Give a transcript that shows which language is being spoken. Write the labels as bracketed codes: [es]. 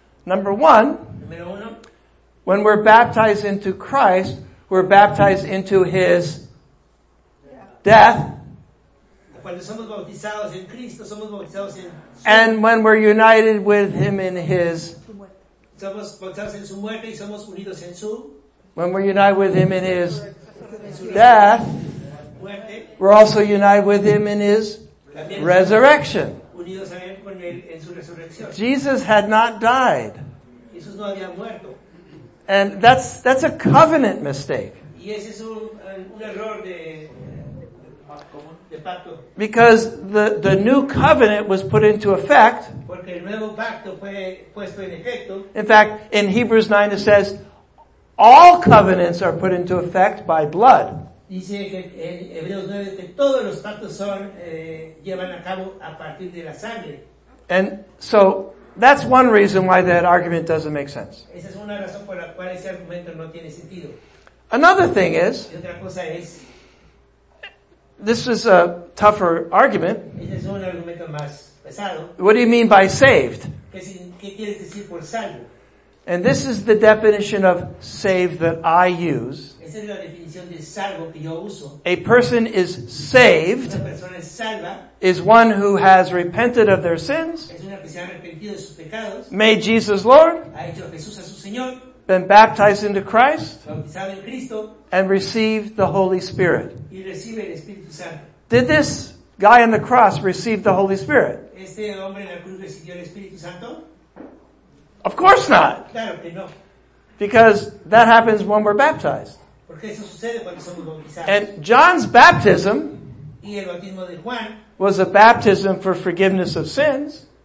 [en] Number one, when we're baptized into Christ, we're baptized into his death. [es] Cuando somos bautizados en Cristo, somos bautizados en su... [en] And when we're united with him in his... [es] Somos bautizados en su muerte y somos unidos en su... [en] When we're united with him in his death, [es] muerte. [en] We're also united with him in his resurrection. [es] Unidos también con él en su resurrección. [en] Jesus had not died. [es] Jesús no había muerto. [en] And that's a covenant mistake. [es] Y ese es un error de pacto. [en] Because the new covenant was put into effect. [es] Porque el nuevo pacto fue puesto en efecto. [en] In fact, in Hebrews 9 it says, all covenants are put into effect by blood. [es] Dice que en Hebreos 9 que todos los pactos son llevan a cabo a partir de la sangre. [en] And so that's one reason why that argument doesn't make sense. [es] Esa es una razón por la cual ese argumento no tiene sentido. [en] Another thing is, [es] y otra cosa es, [en] this is a tougher argument. [es] Ese es un argumento más pesado. [en] What do you mean by saved? [es] ¿Qué quieres decir por salvo? [en] And this is the definition of save that I use. [es] Esa es la definición de salvo que yo uso. [en] A person is saved. [es] Una persona es salva. [en] Is one who has repented of their sins. [es] Es una que se ha arrepentido de sus pecados. [en] Made Jesus Lord. [es] Ha hecho a Jesús a su Señor. [en] Been baptized into Christ. [es] Bautizado en Cristo. [en] And received the Holy Spirit. [es] Y recibe el Espíritu Santo. [en] Did this guy on the cross receive the Holy Spirit? [es] Este hombre en la cruz recibió el Espíritu Santo. [en] Of course not. [es] Claro que no. [en] Because that happens when we're baptized. [es] Porque eso sucede cuando somos bautizados. [en] And John's baptism, [es] y el bautismo de Juan, [en] was a baptism for forgiveness of sins.